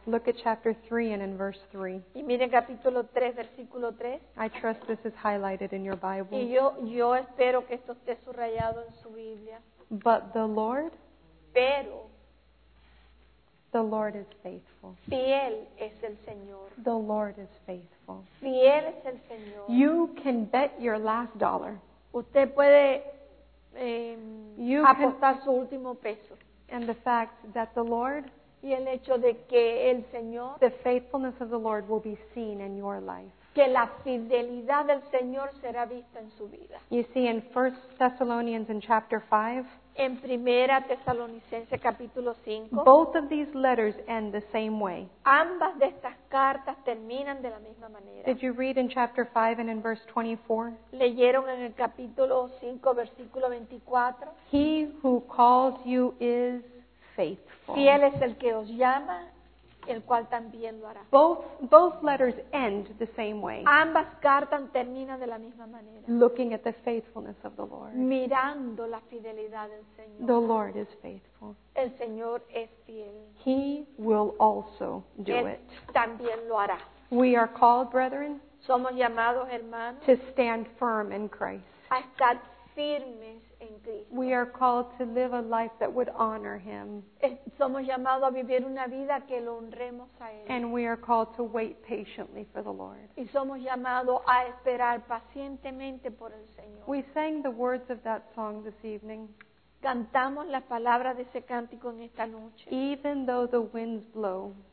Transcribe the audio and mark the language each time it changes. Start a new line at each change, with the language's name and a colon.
English: Look at chapter 3 and in verse 3.
Spanish: Y mire capítulo 3, versículo 3.
English: I trust this is highlighted in your Bible.
Spanish: Y yo espero que esto esté subrayado en su Biblia.
English: But the Lord.
Spanish: Pero.
English: The Lord is faithful.
Spanish: Fiel es el Señor.
English: The Lord is faithful.
Spanish: Fiel es el Señor.
English: You can bet your last dollar.
Spanish: Usted puede apostar su último peso.
English: And the fact that the Lord,
Spanish: y el hecho de que el Señor,
English: the faithfulness of the Lord will be seen in your life.
Spanish: Que la fidelidad del Señor será vista en su vida.
English: You see in 1 Thessalonians in chapter 5,
Spanish: en Primera Tesalonicense capítulo 5,
English: both of these letters end the same way.
Spanish: Ambas de estas cartas terminan de la misma manera.
English: Did you read in chapter 5 and in verse 24?
Spanish: ¿Leyeron en el capítulo 5, versículo 24?
English: He who calls you is faithful.
Spanish: Fiel es el que os llama, el cual también lo hará.
English: Both letters end the same way.
Spanish: Ambas cartas terminan de la misma manera.
English: Looking at the faithfulness of the Lord.
Spanish: Mirando la fidelidad del Señor.
English: The Lord is faithful.
Spanish: El Señor es fiel.
English: He will also do
Spanish: Él
English: it.
Spanish: También lo hará.
English: We are called, brethren,
Spanish: somos llamados, hermanos,
English: to stand firm in Christ.
Spanish: A estar firmes.
English: We are called to live a life that would honor Him.
Spanish: Somos llamados a vivir una vida que lo honremos a Él.
English: And we are called to wait patiently for the Lord.
Spanish: Y somos llamados a esperar pacientemente por el Señor.
English: We sang the words of that song this evening.
Spanish: Cantamos las palabras de ese cántico en esta noche.
English: Even though the winds blow,